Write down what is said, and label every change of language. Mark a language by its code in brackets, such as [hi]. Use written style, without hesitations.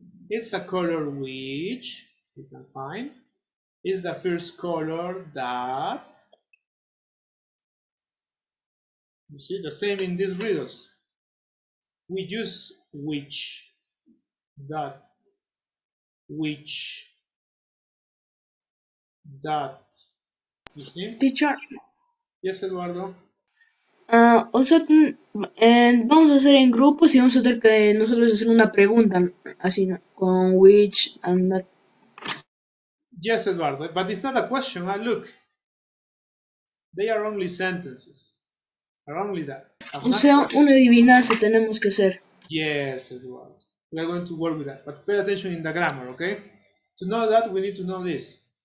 [en] It's a color which, you can find, is the first color that, you see, the same in these riddles. We use which, that, which, that, you see? Teacher. Yes, Eduardo. [es] Vamos a hacer en grupos y vamos a tener que nosotros hacer una pregunta, así, ¿no? [en] Con which and that. Yes, Eduardo, but it's not a question, huh? Look. They are only sentences. Are only that. [es] I'm o sea, questions. Una adivinanza tenemos que hacer. [en] Yes, Eduardo. We are going to work with that, but pay attention in the grammar, okay? To know that, we need to know this.